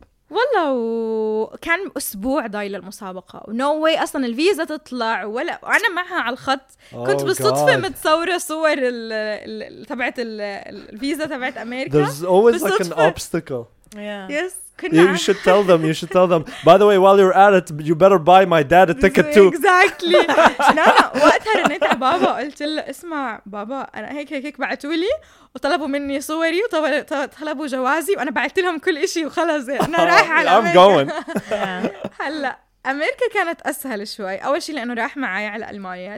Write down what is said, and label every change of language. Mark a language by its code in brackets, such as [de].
[ar] والله كان أسبوع ضايل المسابقة ونو واي أصلا الفيزا تطلع ولا أنا معها على الخط كنت بالصدفة متصورة صور تبعت الفيزا تبعت أمريكا [en] There's always like an obstacle Yeah. Yes, You should tell them. By the way, while you're at it, you better buy my dad a ticket too. Exactly. No, [ar] وقتها رنيت على بابا قلت له اسمع بابا أنا هيك بعتوا لي وطلبوا مني صوري وطلبوا جوازي وأنا بعت لهم كل إشي وخلص أنا رايح على [en] أمريكا. I'm going. [ar] هلا أمريكا كانت أسهل شوي. أول شيء لأنه راح معي على ألمانيا.